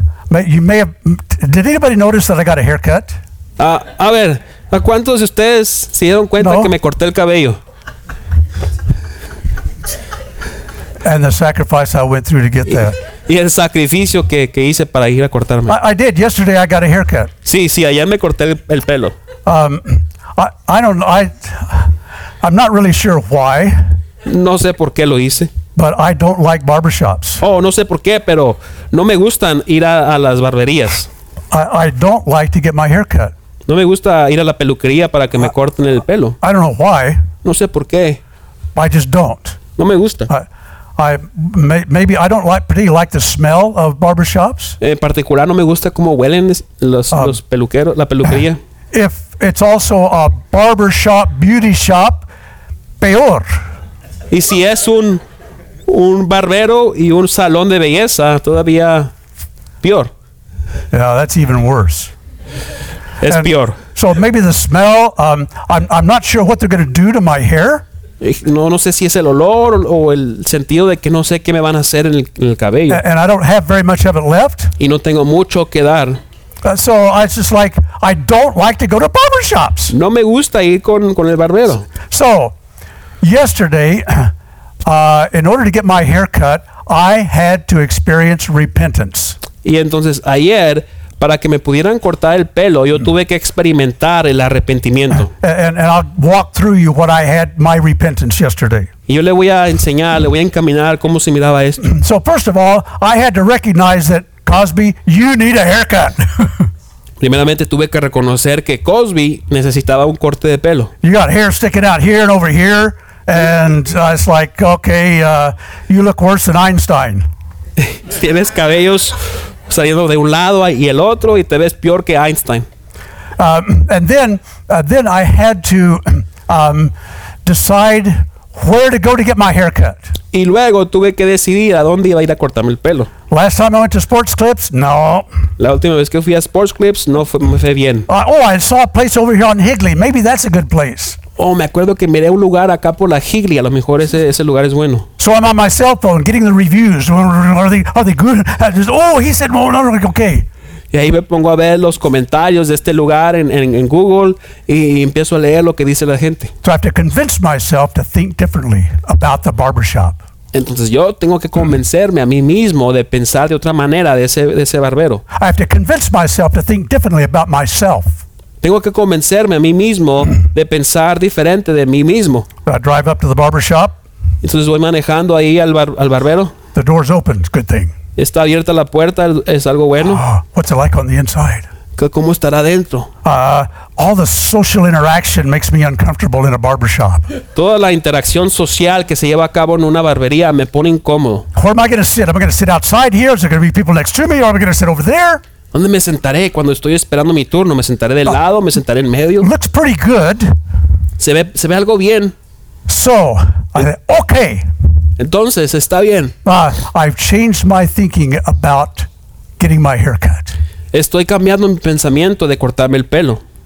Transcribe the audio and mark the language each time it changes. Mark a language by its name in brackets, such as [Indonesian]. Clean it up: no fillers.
[English] Did anybody notice that I got a haircut? [Spanish] A ver. ¿A cuántos de ustedes se dieron cuenta que me corté el cabello? [English] And the sacrifice I went through to get that. [Spanish] Y el sacrificio que hice para ir a cortarme. [English] I did. Yesterday I got a haircut. [Spanish] Sí, ayer me corté el pelo. [English] I'm not really sure why. [Spanish] No sé por qué lo hice. [English] But I don't like barbershops. [Spanish] Oh, no sé por qué, pero no me gustan ir a las barberías. [English] I don't like to get my hair cut. [Spanish] No me gusta ir a la peluquería para que me corten el pelo. [English] I don't know why. [Spanish] No sé por qué. [English] I just don't. [Spanish] No me gusta. [English] Maybe I don't like pretty like the smell of barbershops. [Spanish] En particular no me gusta cómo huelen los peluqueros, la peluquería. [English] If it's also a barbershop beauty shop, [Spanish] peor. Y si es un barbero y un salón de belleza, todavía peor. [English] Yeah, that's even worse. [Spanish] Es peor. [English] So maybe the smell, I'm not sure what they're going to do to my hair. [Spanish] No sé si es el olor o el sentido de que no sé qué me van a hacer en el cabello. [English] And I don't have very much of it left. [Spanish] Y no tengo mucho que dar. [English] So it's just like, I don't like to go to barbershops. [Spanish] No me gusta ir con el barbero. [English] So yesterday, in order to get my hair cut, I had to experience repentance. [Spanish] Y entonces ayer, para que me pudieran cortar el pelo, yo tuve que experimentar el arrepentimiento. [English] And I'll walk through you what I had my repentance yesterday. [Spanish] Y yo le voy a enseñar, le voy a encaminar cómo se miraba esto. [English] So first of all, I had to recognize that Cosby, you need a haircut. [Spanish] Primeramente tuve que reconocer que Cosby necesitaba un corte de pelo. [English] You got hair sticking out here and over here, and it's like, okay, you look worse than Einstein. [Spanish] Tienes cabellos saliendo de un lado y el otro y te ves peor que Einstein. [English] And then I had to decide where to go to get my haircut. [Spanish] Y luego tuve que decidir a dónde iba a ir a cortarme el pelo. [English] Last time I went to Sports Clips, no. [Spanish] La última vez que fui a Sports Clips no me fue bien. [English] I saw a place over here on Higley. Maybe that's a good place. [Spanish] oh, me acuerdo que miré un lugar acá por la Higley. A lo mejor ese lugar es bueno. [English] So I'm on my cell phone getting the reviews. Are they good? Just, oh, he said, well, no, like, okay. [Spanish] Y ahí me pongo a ver los comentarios de este lugar en Google y empiezo a leer lo que dice la gente. [English] So I have to convince myself to think differently about the barbershop. [Spanish] Entonces yo tengo que convencerme a mí mismo de pensar de otra manera de ese barbero. [English] I have to convince myself to think differently about myself. [Spanish] Tengo que convencerme a mí mismo de pensar diferente de mí mismo. [English] I drive up to the barbershop. [Spanish] Entonces voy manejando ahí al barbero. [English] The door's open, it's a good thing. [Spanish] Está abierta la puerta, es algo bueno. [English] What's it like on the inside? [Spanish] ¿Cómo estará dentro? [English] All the social interaction makes me uncomfortable in a barbershop. [Spanish] Toda la interacción social que se lleva a cabo en una barbería me pone incómodo. [English] Where am I going to sit? Am I going to sit outside here? Is there going to be people next to me? Or am I going to sit over there? [Spanish] ¿Dónde me sentaré cuando estoy esperando mi turno? ¿Me sentaré del lado? ¿Me sentaré en medio? [English] Looks pretty good. [Spanish] Se ve algo bien. [English] So, I said, okay. [Spanish] Entonces, está bien. [English] I've changed my thinking about getting my hair cut. [Spanish] Estoy cambiando mi pensamiento de cortarme el pelo.